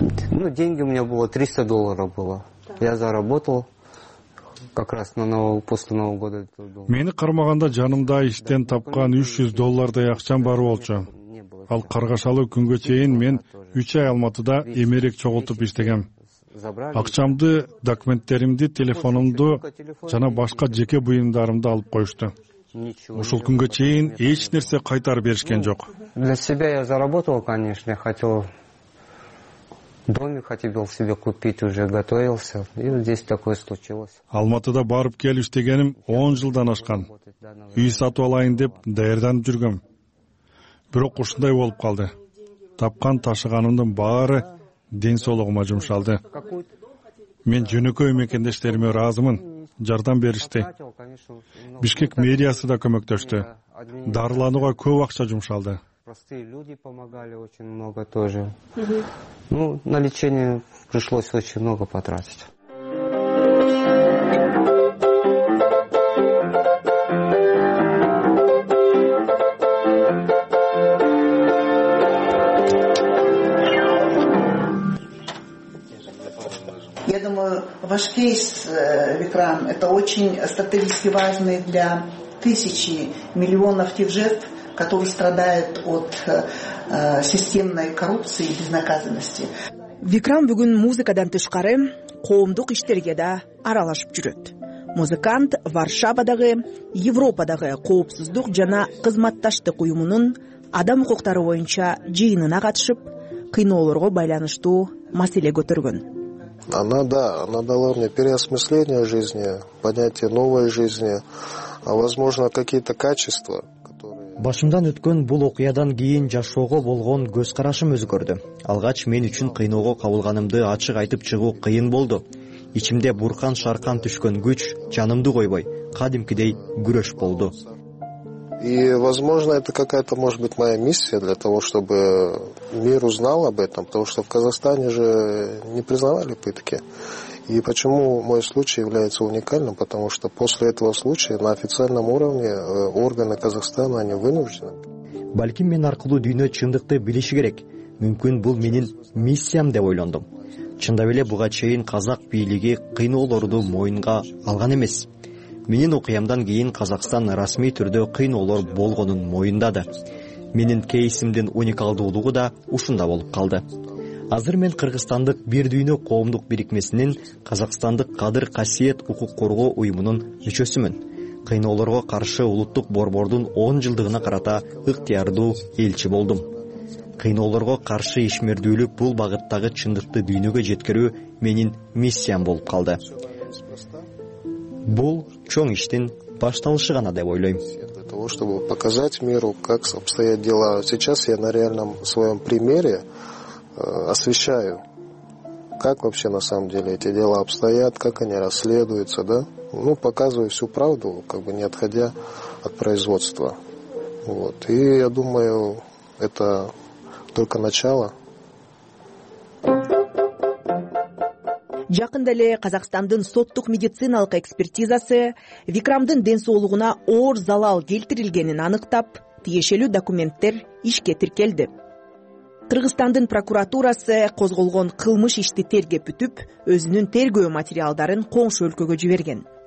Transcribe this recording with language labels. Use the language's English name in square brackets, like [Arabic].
[Russian] Ну, деньги у меня было, $300 было. Я заработал как раз после Нового года. [Kyrgyz] Мени кармаганда жанымда иштен тапкан $300 акчам бар болчу. Ал каргашалуу күнгө чейин мен 3 ай Алматыда эмерек чогултуп иштегем. Акчамды, документтеримди, телефонумду жана башка жеке буюмдарымды алып коюшту. Ушул күнгө чейин эч нерсе кайтарып беришкен жок. [Russian] Для себя я заработал, конечно, я хотел... Домик хотел себе купить, уже готовился. И вот здесь такое случилось. [Kyrgyz] Алматыда барып келип иштегеним 10 жылдан ашкан. Үй сатып алайын деп даярданып жүргөм. Бирок ушундай болуп калды. Тапкан ташыганымдын баары ден соолугума жумшалды. Мен жөнөкөй мекендештериме ыраазымын. Жардам беришти. Бишкек мэриясы да көмөктөштү. Дарыланууга көп акча жумшалды. [Russian] Простые люди помогали очень много тоже. Ну, на лечение пришлось очень много потратить. Я думаю, ваш кейс, Викрам, это очень стратегически важный для тысячи, миллионов тех жертв, который страдает от системной коррупции и безнаказанности. [Kyrgyz] Викрам бүгүн музыкадан тышкары коомдук иштерге да аралашып жүрөт. Музыкант Варшавадагы Европадагы коопсуздук жана кызматташтык уюмунун адам укуктары боюнча жыйынына катышып, кыйноолорго байланыштуу маселе көтөргөн. [Russian] Она дала мне переосмысление жизни, понятие новой жизни, а возможно, какие-то качества. [Kyrgyz] Башымдан өткөн бул окуядан кийин жашоого болгон көз карашым өзгөрдү. Алгач мен үчүн кыйноого кабылганымды ачык айтып чыгуу кыйын болду. Ичимде буркан шаркан түшкөн күч жанымды койбой, кадимкидей күрөш болду. [Russian] И, возможно, это какая-то, может быть, моя миссия для того, чтобы мир узнал об этом, потому что в Казахстане же не признавали пытки. И почему мой случай является уникальным? Потому что после этого случая на официальном уровне органы Казахстана, они вынуждены. [Kyrgyz] Балким мен аркылуу дүйнө чындыкты билиши керек. Мүмкүн бул менин миссиям деп ойлондум. Чындап эле буга чейин казак бийлиги кыйноолорду мойнуна алган эмес. Менин окуямдан кийин Казахстан расмий түрдө кыйноолор болгонун мойундады. Менин кейсимдин уникалдуулугу да ушунда болуп калды. Азыр мен кыргызстандык бир дүйнө коомдук бирикмесинин Казахстандык кадыр касиет укук коргоо уюмунун мүчөсүмүн. Кыйноолорго каршы улуттук борбордун 10 жылдыгына карата ыктыярдуу элчи болдум. Кыйноолорго каршы ишмердүүлүк бул багыттагы чындыкты дүйнөгө жеткирүү менин миссиям болуп калды. Бул чоң иштин башталышы гана деп ойлойм. [Russian] Для того, чтобы показать миру, как обстоят дела. Сейчас я на реальном своем примере освещаю, как вообще на самом деле эти дела обстоят, как они расследуются, да? Ну, показываю всю правду, как бы не отходя от производства. Вот. И я думаю, это только начало. [Kyrgyz] Жакында эле Казакстандын соттук медициналык экспертизасы Викрамдын ден соолугуна оор залал келтирилгенин аныктап, тиешелүү документтер ишке тиркелди. Кыргызстандын прокуратурасы козголгон кылмыш ишти тергеп бүтүп, өзүнүн тергөө материалдарын коңшу өлкөгө жиберген.